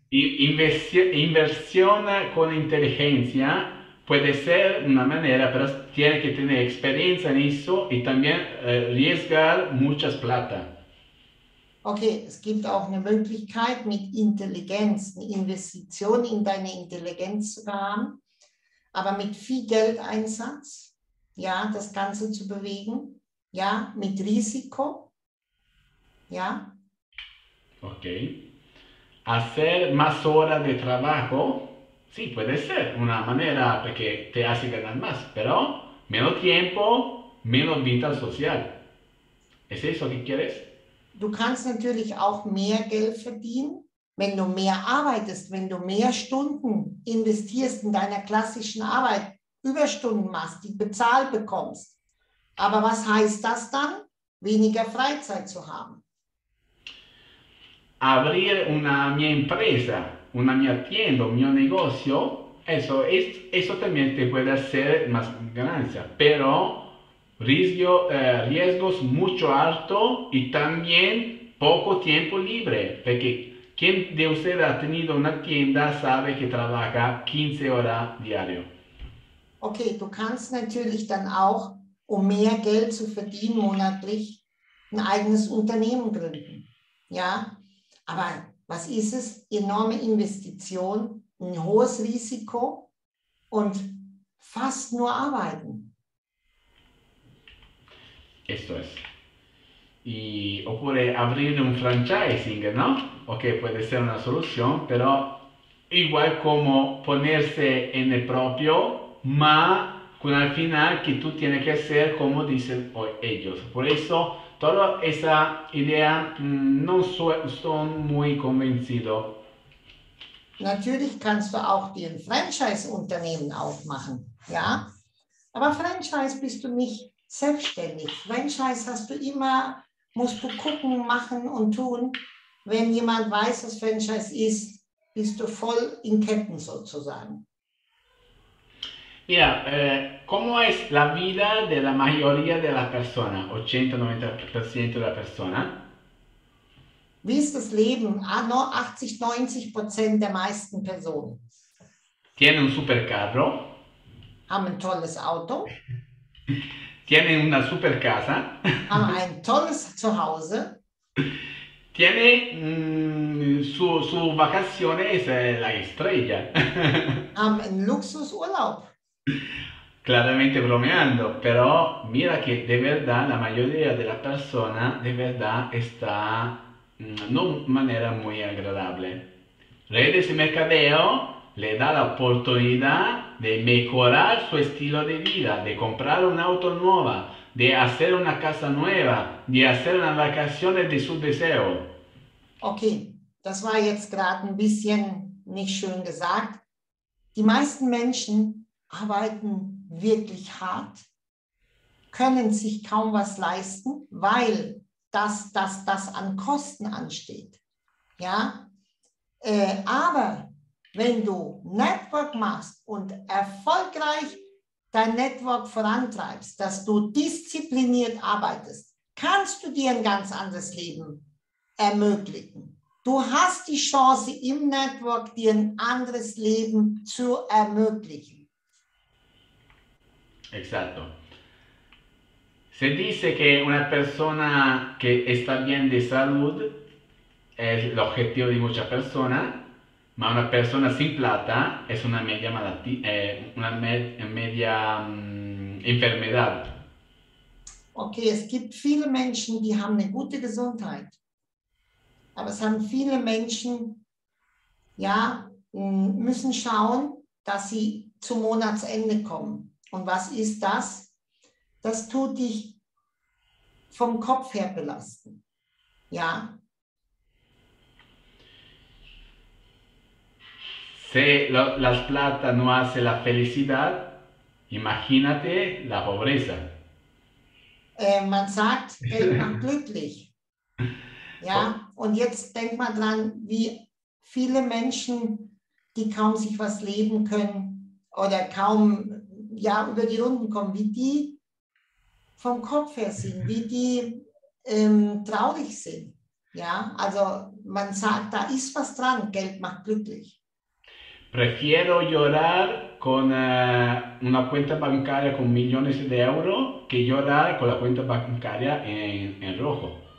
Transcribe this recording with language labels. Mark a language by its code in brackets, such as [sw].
[es] Inversión con inteligencia puede ser una manera, pero tiene que tener experiencia en eso y también arriesgar muchas plata. [de] Okay, es gibt auch eine Möglichkeit mit Intelligenz, eine Investition in deine Intelligenz zu haben, aber mit viel Geldeinsatz, ja, das Ganze zu bewegen, ja, mit Risiko. [es] ¿Ya? Ok. Hacer más horas de trabajo, sí, puede ser una manera que te hace ganar más, pero menos tiempo, menos vida social. ¿Es eso que quieres? [de] Du kannst natürlich auch mehr Geld verdienen, wenn du mehr arbeitest, wenn du mehr Stunden investierst in deiner klassischen Arbeit, Überstunden machst, die bezahlt bekommst. Aber was heißt das dann? Weniger Freizeit zu haben. [es] Abrir una mi empresa, una mi tienda, mi negocio, eso también te puede hacer más ganancia, pero riesgos mucho alto y también poco tiempo libre, porque quien de ustedes ha tenido una tienda sabe que trabaja 15 horas diario. [de] Ok, tú kannst natürlich dann auch, um mehr Geld zu verdienen monatlich, ein eigenes Unternehmen gründen, ja. Aber was ist es? Enorme Investition, ein hohes Risiko und fast nur arbeiten. [es] Esto es. [it] oppure aprire un franchising, no? [es] Ok, [it] può essere una soluzione, però [es] igual come ponerse en el propio, ma con al final que tú tienes que hacer como dicen ellos. Por eso, toda esa idea no estoy muy convencido. [de] Natürlich kannst du auch dir ein Franchise-Unternehmen aufmachen, ja. Aber Franchise bist du nicht selbstständig. Franchise hast du immer, musst du gucken, machen und tun. Wenn jemand weiß, was Franchise ist, bist du voll in Ketten sozusagen. [es] Mira, ¿cómo es la vida de la mayoría de la persona? 80-90% de la persona. [de] Wie ist das Leben? Ah, nur 80, 90% der meisten Personen [es] Tiene un supercarro. [de] haben ein tolles Auto, [es] Tiene una supercasa. [de] haben ein tolles Zuhause. [es] Tiene su vacaciones la estrella. [de] Haben einen Luxusurlaub. [es] Claramente bromeando, pero mira que de verdad la mayoría de la persona de verdad está no manera muy agradable. Redes y mercadeo le da la oportunidad de mejorar su estilo de vida, de comprar una auto nueva, de hacer una casa nueva, de hacer las vacaciones de su deseo. [de] Okay, das war jetzt gerade ein bisschen nicht schön gesagt. Die meisten Menschen arbeiten wirklich hart, können sich kaum was leisten, weil das an Kosten ansteht. Ja? Aber wenn du Network machst und erfolgreich dein Network vorantreibst, dass du diszipliniert arbeitest, kannst du dir ein ganz anderes Leben ermöglichen. Du hast die Chance im Network, dir ein anderes Leben zu ermöglichen. [es] Exacto. Se dice que una persona que está bien de salud es el objetivo de muchas personas, pero una persona sin plata es una media malati una me media enfermedad. [de] Okay, es gibt viele Menschen, die haben eine gute Gesundheit. Aber es haben viele Menschen, ja, müssen schauen, dass sie zum Monatsende kommen. Und was ist das? Das tut dich vom Kopf her belasten. Ja. [es] Si las plata no hace la felicidad, imagínate la pobreza. [de] Man sagt, Geld macht glücklich. Ja, und jetzt denk mal dran, wie viele Menschen, die kaum sich was leben können oder kaum, ja, über die Runden kommen, wie die vom Kopf her sind, wie die traurig sind. Ja, also man sagt, da ist was dran, Geld macht glücklich. [es] Prefiero llorar con una cuenta bancaria con millones de euros que llorar con la cuenta bancaria en rojo.